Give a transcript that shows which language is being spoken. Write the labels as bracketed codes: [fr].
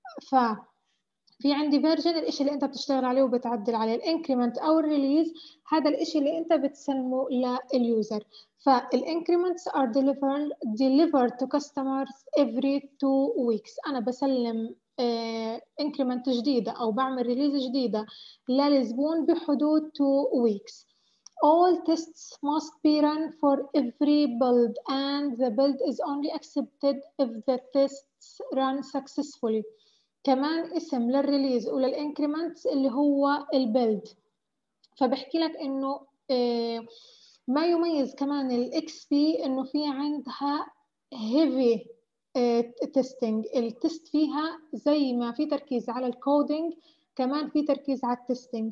[ar] ففي عندي version الإشي اللي أنت بتشتغل عليه وبتعدل عليه، ال increment أو ال release هذا الإشي اللي أنت بتسلمه لل user. فال [en] increments are delivered to customers every 2 weeks. [ar] أنا بسلم increment جديدة أو بعمل release جديدة للزبون بحدود 2 weeks. [en] All tests must be run for every build and the build is only accepted if the tests run successfully. [ar] كمان اسم للريليز وللانكريمنتس اللي هو البيلد. فبحكي لك انه ما يميز كمان الاكس بي انه في عندها heavy testing. التست فيها زي ما في تركيز على الكودينج كمان في تركيز على التستينج.